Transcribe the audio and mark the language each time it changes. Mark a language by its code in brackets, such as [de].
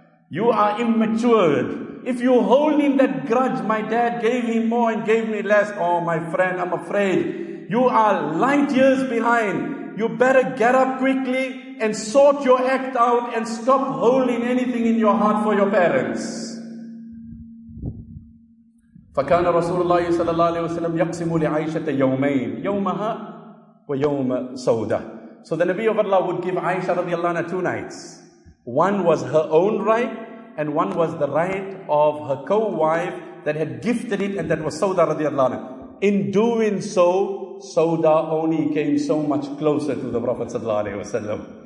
[en] You are immatured. If you hold in that grudge, my dad gave him more and gave me less, oh my friend, I'm afraid. You are light years behind. You better get up quickly and sort your act out and stop holding anything in your heart for your parents. [ar] فكان رسول الله صلى الله عليه وسلم يقسم لعائشة يومين يومها ويوم سودة. [en] So the Nabi of Allah would give Aisha radiallahu anha two nights. One was her own right, and one was the right of her co-wife that had gifted it, and that was Sauda radiallahu anha. In doing so, Sauda only came so much closer to the Prophet sallallahu alaihi wasallam.